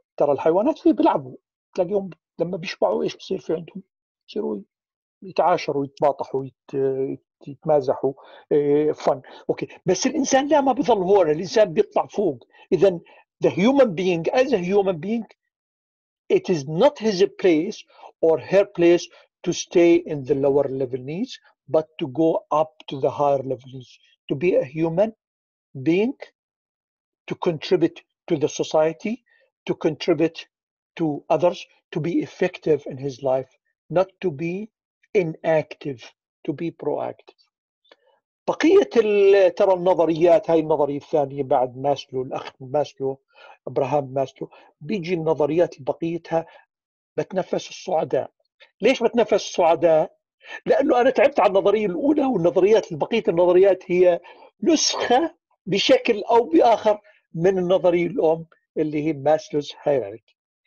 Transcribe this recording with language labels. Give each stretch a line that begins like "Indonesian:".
Arabic: ترى الحيوانات فيه بيلعبوا تلاقيهم لما بيشبعوا إيش بصير في عندهم بصيروا يتعاشروا يتباطحوا يتمازحوا فن. أوكي بس الإنسان لا ما بيظل هون الإنسان بيطلع فوق. إذن the human being as a human being
English: it is not his place or her place to stay in the lower level needs, but to go up to the higher level needs, to be a human being, to contribute to the society, to contribute to others, to be effective in his life, not to be inactive, to be proactive.
Arabic: بقية ترى النظريات هاي النظرية الثانية بعد ماسلو الأخ ماسلو إبراهام ماسلو بيجي النظريات بقيتها بتنفس السعداء. ليش بتنفس السعداء؟ لأنه أنا تعبت على النظرية الأولى والنظريات البقية النظريات هي نسخة بشكل أو بآخر من النظرية الأم اللي هي ماسلوز هيراركي.